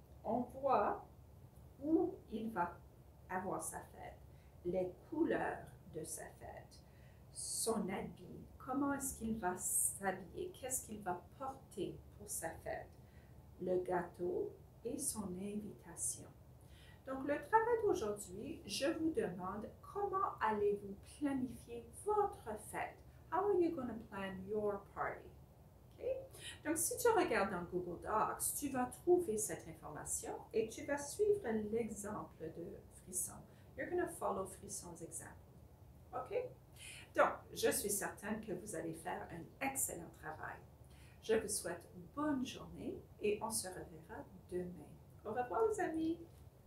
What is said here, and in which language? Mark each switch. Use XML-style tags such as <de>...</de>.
<fr>On voit où il va avoir sa fête, les couleurs de sa fête, son habit, comment est-ce qu'il va s'habiller, qu'est-ce qu'il va porter pour sa fête, le gâteau et son invitation. Donc, le travail d'aujourd'hui, je vous demande comment allez-vous planifier votre fête?</fr> <en>How are you going to plan your party? Okay?</en> <fr>Donc, si tu regardes dans Google Docs, tu vas trouver cette information et tu vas suivre l'exemple de Frisson.</fr> <en>You're going to follow Frisson's example.</en> <fr>OK? Donc, je suis certaine que vous allez faire un excellent travail. Je vous souhaite bonne journée et on se reverra demain. Au revoir, les amis!</fr>